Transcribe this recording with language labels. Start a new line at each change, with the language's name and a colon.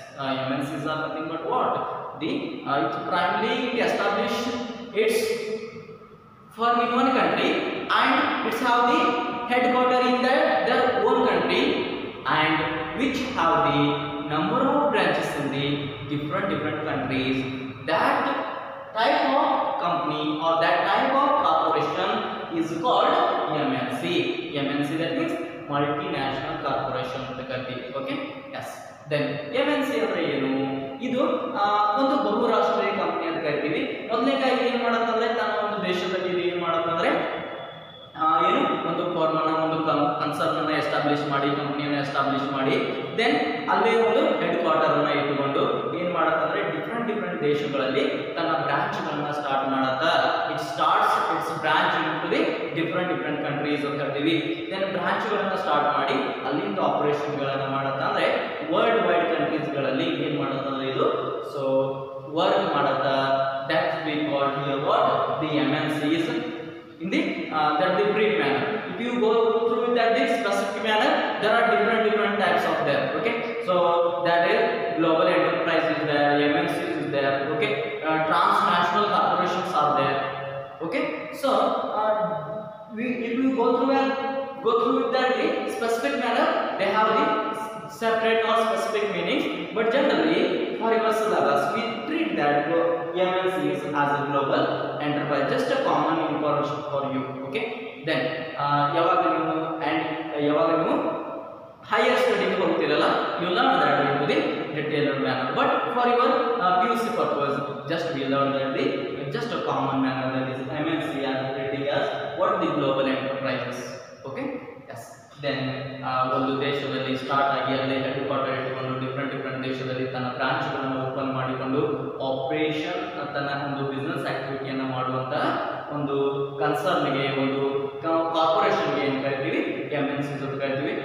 English: MNCs are nothing but what? The it primarily established its firm in one country, and it have the headquarters in their own country, and which have the number of branches in the different countries that type of company or that type of corporation is called MNC. MNC, that means multinational corporation. Okay? Yes. Then MNC
Kannada: andre enu? ಇದು ಒಂದು ಬಹುರಾಷ್ಟ್ರೀಯ company ಅಂತ ಕರಿತೀವಿ. ಮೊದಲನೇದಾಗಿ ಏನ್ ಮಾಡುತ್ತಂದ್ರೆ ತನ್ನ ಒಂದು ದೇಶದಲ್ಲಿ ಏನ್ ಮಾಡುತ್ತಂದ್ರೆ ಏನು ಒಂದು ಫಾರ್ಮ್ ಅನ್ನ ಒಂದು ಕನ್ಸರ್ನ್ ಅನ್ನ ಎಸ್ಟಾಬ್ಲಿಷ್ ಮಾಡಿ ಕಂಪನಿಯನ್ನು ಎಸ್ಟಾಬ್ಲಿಷ್ ಮಾಡಿ ದೆನ್ ಅಲ್ಲೇ ಒಂದು ಹೆಡ್ ಕ್ವಾರ್ಟರ್ ಅನ್ನ ಇಟ್ಟುಕೊಂಡು ಏನ್ ಮಾಡುತ್ತಂದ್ರೆ ಡಿಫ್ರೆಂಟ್ ಡಿಫ್ರೆಂಟ್ ದೇಶಗಳಲ್ಲಿ ತನ್ನ ಬ್ರಾಂಚ್ ಗಳನ್ನ ಸ್ಟಾರ್ಟ್ ಮಾಡುತ್ತ
English: it starts its branch ಇಂಟುಲಿ different different countries
Kannada: ಅಂತ ಕರ್ತೀವಿ. ದೆನ್ ಬ್ರಾಂಚ್ ಗಳನ್ನ ಸ್ಟಾರ್ಟ್ ಮಾಡಿ ಅಲ್ಲಿಂದ ಆಪರೇಷನ್ ಗಳನ್ನ ಮಾಡುತ್ತಂದ್ರೆ ವರ್ಲ್ಡ್ ವೈಡ್ ಕಂಟ್ರೀಸ್ ಗಳಲ್ಲಿ ಏನ್ ಮಾಡುತ್ತಂದ್ರೆ ಇದು ಸೊ ವರ್ಕ್ ಮಾಡುತ್ತ
English: That's be called your word the MNCs in the that the brief manner. If you go through that the specific manner, there are different different types of there. Okay, so that is global enterprise is there, MNCs is there. Okay, transnational corporations are there. Okay, so if you go through with that the specific manner, they have the separate or specific meanings. But generally, for our syllabus, we treat that MNCs as a global enterprise, just a common information for you. Okay, then
Kannada: yavaga nu higher study ku hogtiralla,
English: you learn that in the detailed manner. But for your PUC purpose, just we learn that the just a common manner, that is MNC as a treating as what the global enterprises. Okay, yes.
Kannada: Then ಒಂದು ದೇಶದಲ್ಲಿ start ಆಗಿ ಅಲ್ಲೇ head quarter ಇಟ್ಟುಕೊಂಡು different different ದೇಶದಲ್ಲಿ ತನ್ನ branch ಗಳನ್ನು open ಮಾಡಿಕೊಂಡು operation ತನ್ನ ಒಂದು ಬಿಸ್ನೆಸ್ ಆಕ್ಟಿವಿಟಿಯನ್ನು ಮಾಡುವಂತಹ ಒಂದು ಕನ್ಸರ್ನ್ಗೆ ಒಂದು ಕಾರ್ಪೊರೇಷನ್ಗೆ ಏನು ಕರಿತೀವಿ MNCs ಅಂತ ಕರಿತೀವಿ.